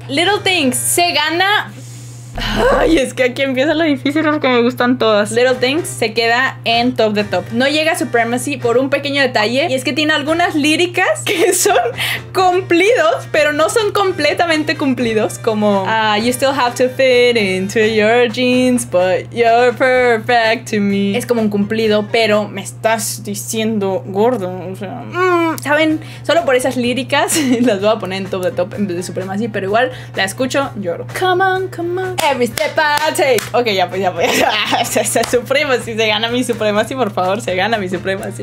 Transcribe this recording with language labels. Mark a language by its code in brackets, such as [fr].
[es] Little Things se gana. Ay, es que aquí empieza lo difícil porque me gustan todas. Little Things se queda en top de top. No llega a Supremacy por un pequeño detalle. Y es que tiene algunas líricas que son cumplidos, pero no son completamente cumplidos. Como [en] you still have to fit into your jeans, but you're perfect to me. [es] Es como un cumplido, pero me estás diciendo gordo. O sea, ¿saben? Solo por esas líricas las voy a poner en top de top en vez de Supremacy. Pero igual la escucho, lloro. [en] Come on, come on. Every step I take. Ok, [es] ya pues, ya pues. Se suprema, si se gana mi suprema, sí, por favor, se gana mi suprema, sí.